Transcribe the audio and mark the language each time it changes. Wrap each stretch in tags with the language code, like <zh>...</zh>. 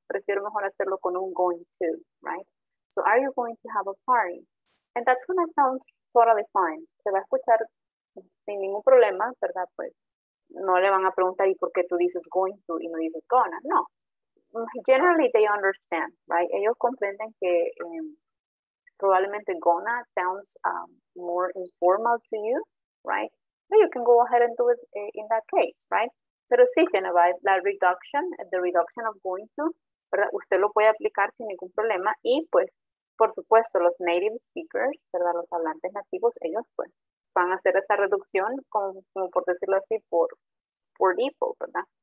<es>Prefiero mejor hacerlo con un going to, right?</es> <en>So, are you going to have a party? And that's going to sound totally fine.</en> <es>Se va a escuchar sin ningún problema, ¿verdad? Pues, no le van a preguntar, ¿y por qué tú dices going to y no dices gonna?</es> <en>No. Generally, they understand, right?</en> <es>Ellos comprenden que</es> <en>probablemente gonna sounds more informal to you, right? So you can go ahead and do it in that case, right?</en> <es>Pero sí, Genova, la reduction,</es> <en>the reduction of going to,</en> <es>¿verdad? Usted lo puede aplicar sin ningún problema y pues, por supuesto, los native speakers, ¿verdad? Los hablantes nativos, ellos pues van a hacer esa reducción, como por decirlo así, por default, ¿verdad?</es>